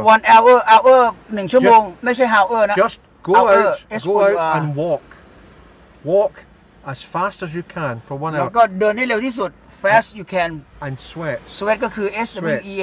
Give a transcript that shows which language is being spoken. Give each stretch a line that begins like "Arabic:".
Thai: 1 hour 1ชั่วโมงไม่ใช่ hour นะ
English: Just go out and walk. Walk as fast as you can for 1 hour.
Thai: แล้วก็เดินให้เร็วที่สุด
English: fast you can. And sweat.
Thai: Sweat ก็คือ sweat